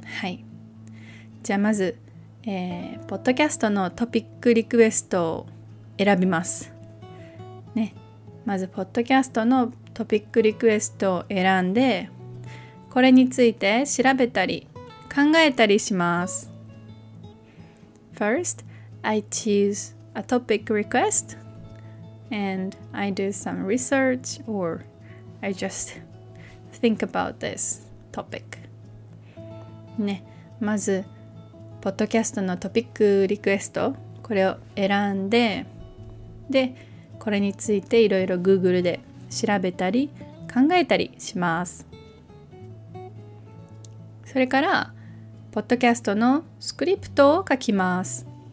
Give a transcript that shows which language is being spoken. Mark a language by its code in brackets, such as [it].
[ja] はい、じゃあまず、ポッドキャストのトピックリクエストを選びます、ね、まずポッドキャストのトピックリクエストを選んで、これについて調べたり考えたりします。 [en] First, I choose a topic request and I do some research or I just think about this topic. [ja] ね、まずポッドキャストのトピックリクエスト、これを選んで、で、これについていろいろ Google で調べたり考えたりします。それからポッドキャストのスクリプトを書きます。